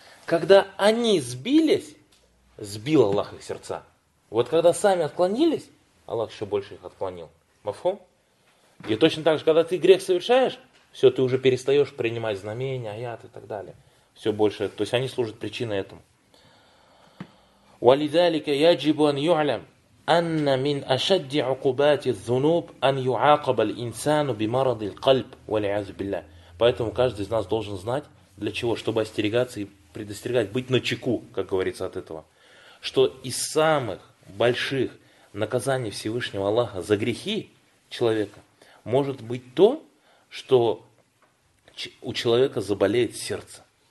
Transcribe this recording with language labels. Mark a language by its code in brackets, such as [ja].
[ru] Когда они сбились, сбил Аллах их сердца. Вот когда сами отклонились, Аллах еще больше их отклонил. Мафхум? И точно так же, когда ты грех совершаешь, все, ты уже перестаешь принимать знамения, аяты и так далее. Все больше. То есть они служат причиной этому. [ar] وَلِذَلِكَ يَجِبُ أَنْ يُعْلَمْ أن من أشد عقوبات الذنوب أن يعاقب الإنسان بمرض القلب والعياذ بالله. [ru] Поэтому каждый из нас должен знать, для чего, чтобы остерегаться и предостерегать, быть начеку, как говорится, от этого. Что из самых больших наказаний Всевышнего Аллаха за грехи человека может быть то, что у человека заболеет сердце.